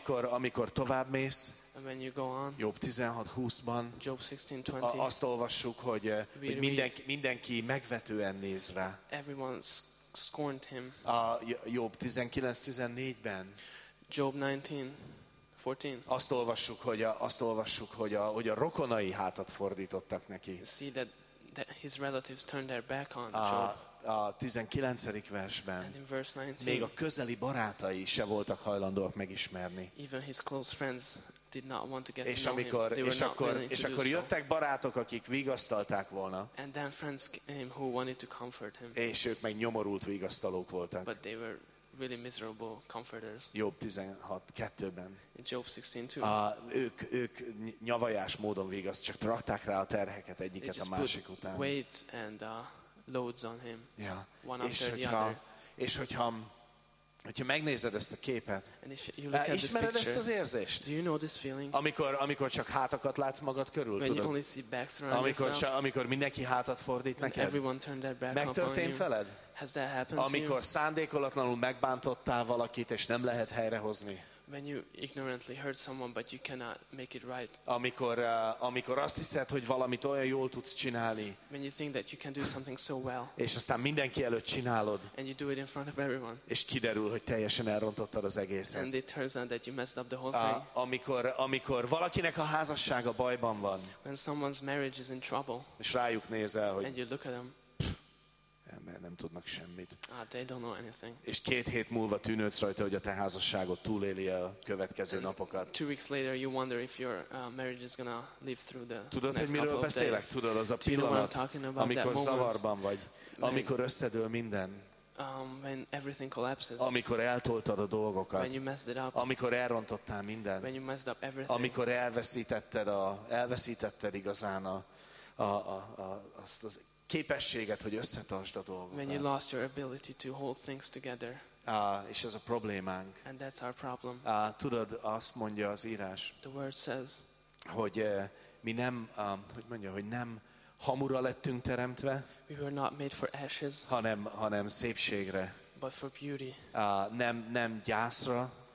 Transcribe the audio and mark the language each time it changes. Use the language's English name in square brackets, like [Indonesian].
[Hungarian] Amikor tovább mész, Jobb 16:20-ban azt olvassuk, hogy mindenki megvetően néz rá. [English] Scorned him. [Hungarian] Jobb 19:14-ben. [English] Job 19:14. [Hungarian] Azt olvassuk, hogy a rokonai hátat fordítottak neki. [English] See that his relatives turned their back on Job. [Hungarian] A 19. versben. [English] And in verse 19. [Hungarian] Még a közeli barátai se voltak hajlandóak megismerni. [English] Even his close friends did not want to get [Hungarian] és [English] to know [Hungarian] amikor, [English] him. [Hungarian] És akkor jöttek barátok, akik vigasztalták volna. [English] And then friends came who wanted to comfort him. [Hungarian] És ők meg nyomorult vigasztalók voltak. [English] But they were really miserable comforters. [Hungarian] Jobb 16:2-ben. [English] Job 16:2. [Hungarian] Ők nyavajás módon vigaszt, csak rakták rá a terheket egyiket a másik után. [English] Weight and loads on him. Yeah. One [Hungarian] és [English] after [Hungarian] hogyha, [English] the other. [Hungarian] És hogyha megnézed ezt a képet, ismered ezt az érzést? [English] Do you know this feeling? [Hungarian] Amikor csak hátakat látsz magad körül, [English] when [Hungarian] tudod? [English] You only see backs around [Hungarian] amikor mindenki hátat fordít [English] when [Hungarian] neked? [English] Everyone turned their back [Hungarian] megtörtént [English] on [Hungarian] veled? [English] You. Has that happened [Hungarian] amikor [English] to you? [Hungarian] Szándékolatlanul megbántottál valakit, és nem lehet helyrehozni? [English] When you ignorantly hurt someone but you cannot make it right. [Hungarian] Amikor azt hiszed, hogy valamit olyan jól tudsz csinálni. [English] When you think that you can do something so well. [Hungarian] És aztán mindenki előtt csinálod. [English] And you do it in front of everyone. [Hungarian] És kiderül, hogy teljesen elrontottad az egészet. [English] And it turns out that you messed up the whole thing. [Hungarian] Amikor valakinek a házassága bajban van. [English] When someone's marriage is in trouble. [Hungarian] És rájuk nézel, hogy [English] and you look at them. [Hungarian] Mert nem tudnak semmit. [English] They don't know anything. [Hungarian] És 2 hét múlva tűnődsz rajta, hogy a te házasságod túléli a következő [English] and [Hungarian] napokat. [English] 2 weeks later you wonder if your marriage is gonna live through the [Hungarian] tudod, [English] next [Hungarian] hogy miről [English] couple [Hungarian] beszélek? [English] Of days. [Hungarian] Tudod, az a pillanat, amikor zavarban vagy, amikor összedől minden. [English] When everything collapses. [Hungarian] Amikor eltoltad a dolgokat. [English] When you messed it up. [Hungarian] Amikor elrontottál mindent. [English] When you messed up everything. [Hungarian] Amikor elveszítetted igazán az képességet, hogy összetartsd a dolgokat. [English] When you lost your ability to hold things together. [Hungarian] És ez a problémánk. [English] And that's our problem. [Hungarian] Tudod, azt mondja az írás. [English] The word says. [Hungarian] Hogy mi nem, hogy mondja, hogy nem hamura lettünk teremtve. [English] We were not made for ashes. [Hungarian] Hanem szépségre. [English] But for beauty. [Hungarian] Nem gyászra.